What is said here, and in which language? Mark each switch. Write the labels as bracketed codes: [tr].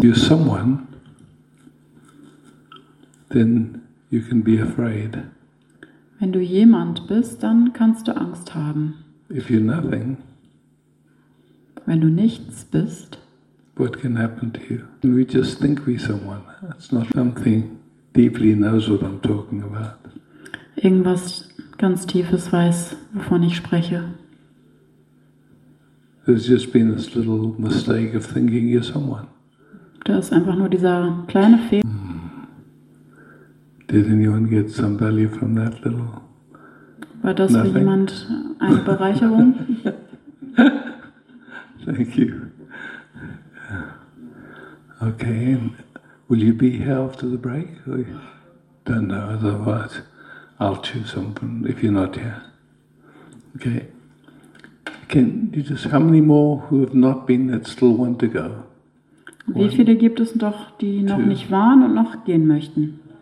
[en] You're someone, then you can be afraid. [de] Wenn du jemand bist, dann kannst du Angst haben. [en] If you're nothing, [de] wenn du nichts bist, [en] what can happen to you? And we just think we're someone. It's not something deeply knows what I'm talking about. [de] Irgendwas ganz Tiefes weiß, wovon ich spreche. [en] There's just been this little mistake of thinking you're someone. [de] Da ist einfach nur dieser kleine Fehler. Hmm. [en] Did anyone get some value from that little? [de] War das nothing? Für jemand eine Bereicherung? [en] Thank you. Okay, and will you be here after the break? I don't know, otherwise I'll choose something if you're not here. Okay. Can you just, how many more who have not been that still want to go? [de] Wie viele gibt es doch, die noch nicht waren und noch gehen möchten?